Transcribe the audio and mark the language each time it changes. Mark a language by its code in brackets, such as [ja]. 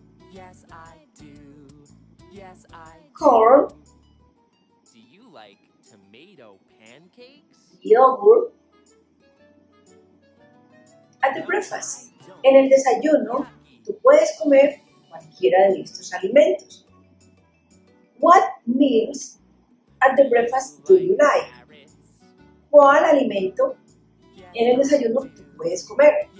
[en] Yes, I do. Yes, I do. Corn. Do you like tomato pancakes? Yogurt. At the breakfast. [es] En el desayuno, tú puedes comer cualquiera de estos alimentos. [en] What meals at the breakfast do you like? [es] ¿Cuál alimento en el desayuno tú puedes comer?